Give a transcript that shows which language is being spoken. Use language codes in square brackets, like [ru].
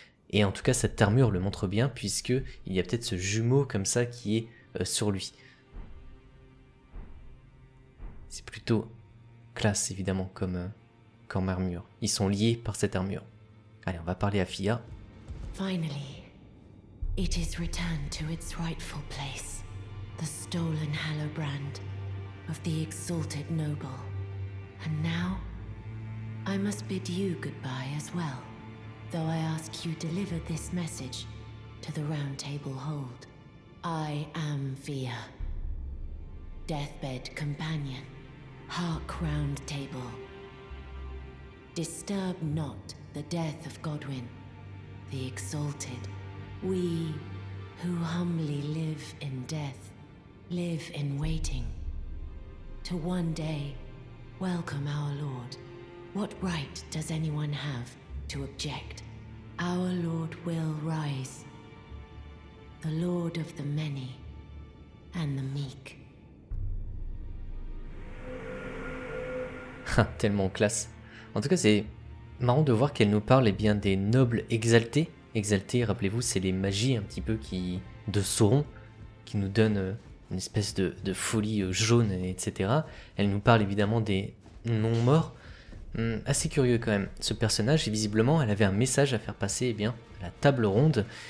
[fr] Et en tout cas, cette armure le montre bien, puisque il y a peut-être ce jumeau comme ça qui est sur lui. C'est plutôt classe, évidemment, comme armure. Ils sont liés par cette armure. Allez, on va parler à Fia. [en] Finally. It is returned to its rightful place, the stolen Hallowbrand of the exalted noble. And now, I must bid you goodbye as well, though I ask you deliver this message to the Round Table Hold. I am Fia, deathbed companion, hark Round Table. Disturb not the death of Godwin, the exalted. We, who humbly live in death, live in waiting. To one day, welcome our Lord. What right does anyone have to object? Our Lord will rise. The Lord of the many and the meek. [fr] Ha, tellement classe. En tout cas, c'est marrant de voir qu'elle nous parle et bien des nobles exaltés. Exalté, rappelez-vous, c'est les magies un petit peu qui de Sauron qui nous donnent une espèce de folie jaune, etc. Elle nous parle évidemment des non-morts. Assez curieux quand même, ce personnage, et visiblement, elle avait un message à faire passer, eh bien, à la table ronde.